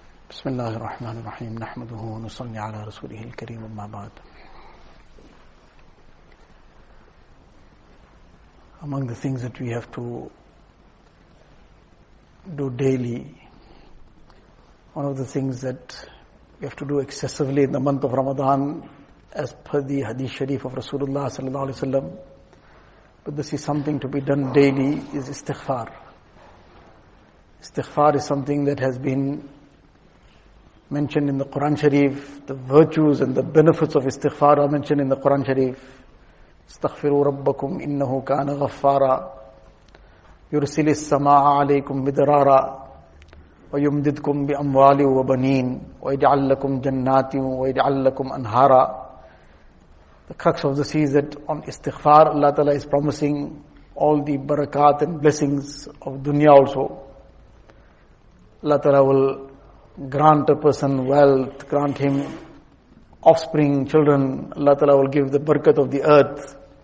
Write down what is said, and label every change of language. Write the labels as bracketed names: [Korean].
[Arabic] بسم الله الرحمن الرحيم نحمده ونصلي على رسوله الكريم أما بعد. [English] Among the things that we have to do daily, one of the things that we have to do excessively in the month of Ramadan, as per the Hadith Sharif of Rasulullah sallallahu alaihi wasallam, but this is something to be done daily, is istighfar. Istighfar is something that has been mentioned in the Quran Sharif. The virtues and the benefits of istighfar are mentioned in the Quran Sharif. [Arabic] استغفروا ربكم إنه كان غفارا يرسل السماء عليكم مدرارا ويمددكم بأموال وبنين ويجعل لكم جنات ويجعل لكم أنهارا. [English] The crux of this is that on istighfar, Allah Ta'ala is promising all the barakat and blessings of dunya also. Allah Ta'ala will grant a person wealth, grant him offspring, children. Allah Ta'ala will give the barakat of the earth.